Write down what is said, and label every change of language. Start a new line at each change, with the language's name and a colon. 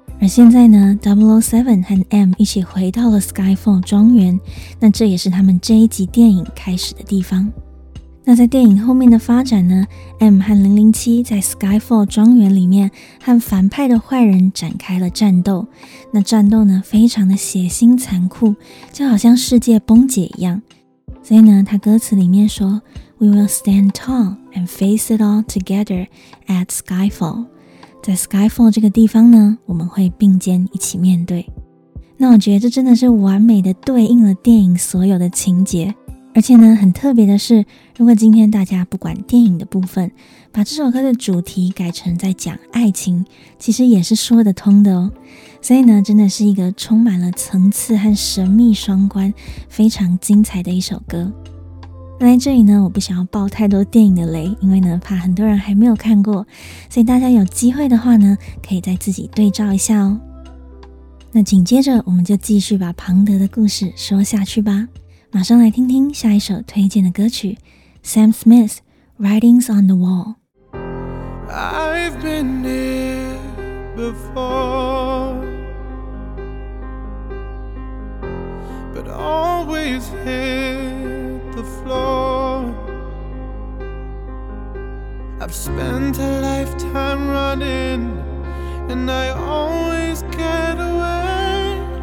Chinese: 而现在呢 ，007 和 M 一起回到了 Skyfall 庄园，那这也是他们这一集电影开始的地方。那在电影后面的发展呢 ，M 和007在 Skyfall 庄园里面和反派的坏人展开了战斗。那战斗呢，非常的血腥残酷，就好像世界崩解一样。所以呢，他歌词里面说 ， We will stand tall and face it all together at Skyfall。在 Skyfall 这个地方呢，我们会并肩一起面对。那我觉得这真的是完美的对应了电影所有的情节。而且呢，很特别的是，如果今天大家不管电影的部分，把这首歌的主题改成在讲爱情，其实也是说得通的哦。所以呢，真的是一个充满了层次和神秘双关，非常精彩的一首歌。那在这里呢，我不想要爆太多电影的雷，因为呢怕很多人还没有看过，所以大家有机会的话呢，可以再自己对照一下哦。那紧接着我们就继续把庞德的故事说下去吧，马上来听听下一首推荐的歌曲 Sam Smith Writings on the Wall。
English: I've been here before But always here. The floor. I've spent a lifetime running, and I always get away.